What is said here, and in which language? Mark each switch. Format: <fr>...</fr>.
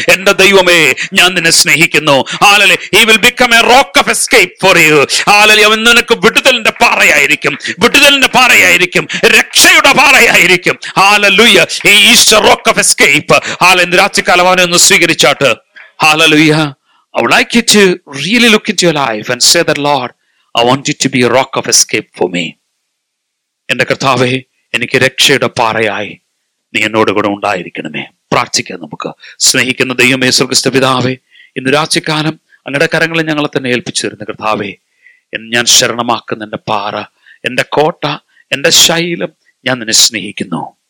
<ml>എന്റെ ദൈവമേ, ഞാൻ നിന്നെ സ്നേഹിക്കുന്നു. Hallelujah.</ml> <en>He will become a rock of escape for you.</en> <ml>Hallelujah. അവൻ നിനക്ക് വിടുതലിന്റെ പാറയായിരിക്കും, വിടുതലിന്റെ പാറയായിരിക്കും, രക്ഷയുടെ പാറയായിരിക്കും. Hallelujah.</ml> <en>He is a rock of escape. Hallelujah.</en> <ml>ഇന്ന് രാത്രിക്കാലം അവനെ ഒന്ന് സ്വീകരിച്ചാട്ട്.</ml> <en>Hallelujah. I would like you to really look into your life and say that, Lord, I want you to be a rock of escape for me.</en> <ml>എന്റെ കർത്താവേ, എനിക്ക് രക്ഷയുടെ പാറയായി നീ എന്നോട് കൂടെ ഉണ്ടായിരിക്കണമേ. പ്രാർത്ഥിക്കാം നമുക്ക്. സ്നേഹിക്കുന്ന ദൈവം യേശുക്രിസ്തു പിതാവേ, ഇന്ന് രാത്രിക്കാലം അങ്ങയുടെ കരങ്ങളെ ഞങ്ങളെ തന്നെ ഏൽപ്പിച്ചു തരുന്ന കർത്താവേ, ഞാൻ ശരണമാക്കുന്ന എൻ്റെ പാറ, എൻ്റെ കോട്ട, എൻ്റെ ശൈലം, ഞാൻ നിന്നെ സ്നേഹിക്കുന്നു.</ml>